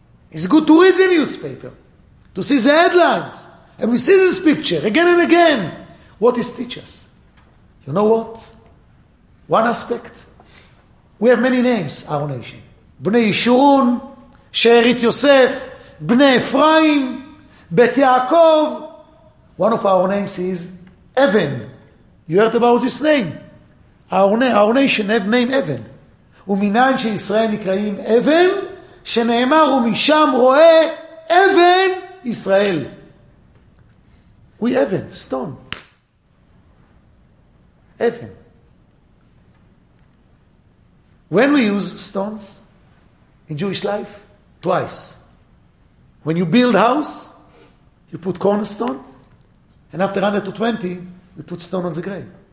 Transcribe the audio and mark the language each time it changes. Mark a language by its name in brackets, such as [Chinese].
[English] It's good to read the newspaper, to see the headlines, and we see this picture again and again. What it teaches us? You know what? One aspect. We have many names, our nation. Bnei Yishurun, Sheerit Yosef, Bnei Ephraim, Bet Yaakov. One of our names is Evan. You heard about this name. Our nation have name Evan. [Hebrew] ומנין שישראל נקראים אבן, שנאמר ומשם רואה אבן ישראל. [English] We אבן, stone. אבן. When we use stones in Jewish life, twice. When you build a house, you put cornerstone, and after 120, you put stone on the grave.